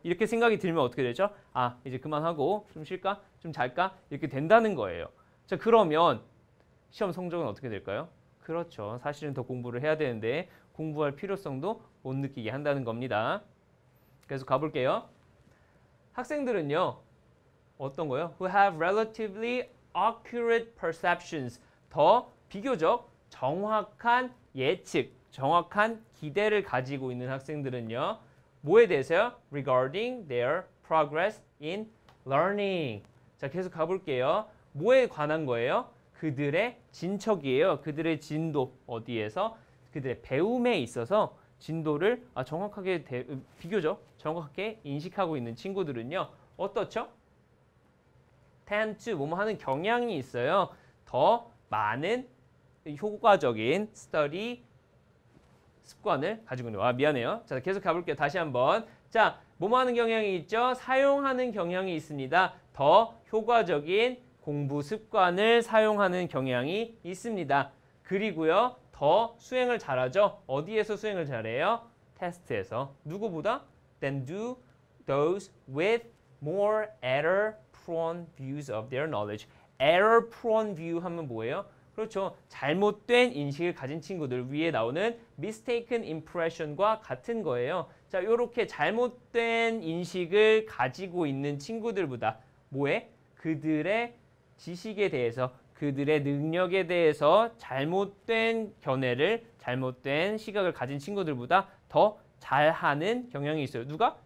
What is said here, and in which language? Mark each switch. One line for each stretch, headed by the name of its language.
Korean: 이렇게 생각이 들면 어떻게 되죠? 아, 이제 그만하고 좀 쉴까? 좀 잘까? 이렇게 된다는 거예요. 자, 그러면 시험 성적은 어떻게 될까요? 그렇죠. 사실은 더 공부를 해야 되는데 공부할 필요성도 못 느끼게 한다는 겁니다. 계속 가볼게요. 학생들은요. 어떤 거요?
English: Who have relatively accurate perceptions.
Korean: 더 비교적 정확한 예측, 정확한 기대를 가지고 있는 학생들은요. 뭐에 대해서요?
English: Regarding their progress in learning.
Korean: 자, 계속 가볼게요. 뭐에 관한 거예요? 그들의 진척이에요. 그들의 진도 어디에서? 그들의 배움에 있어서 진도를 비교적 정확하게 인식하고 있는 친구들은요. 어떻죠?
English: Tend to
Korean: 뭐뭐 하는 경향이 있어요. 더 많은 효과적인 study 습관을 가지고 있는 거예요. 미안해요. 자, 계속 가볼게요. 다시 한번. 자, 뭐뭐 하는 경향이 있죠? 사용하는 경향이 있습니다. 더 효과적인 공부 습관을 사용하는 경향이 있습니다. 그리고요. 더 수행을 잘하죠. 어디에서 수행을 잘해요? 테스트에서. 누구보다?
English: Then do those with more error-prone views of their knowledge. Error-prone view
Korean: 하면 뭐예요? 그렇죠. 잘못된 인식을 가진 친구들 위에 나오는
English: mistaken impression
Korean: 과 같은 거예요. 자, 이렇게 잘못된 인식을 가지고 있는 친구들보다 뭐에? 그들의 지식에 대해서 그들의 능력에 대해서 잘못된 견해를, 잘못된 시각을 가진 친구들보다 더 잘하는 경향이 있어요. 누가?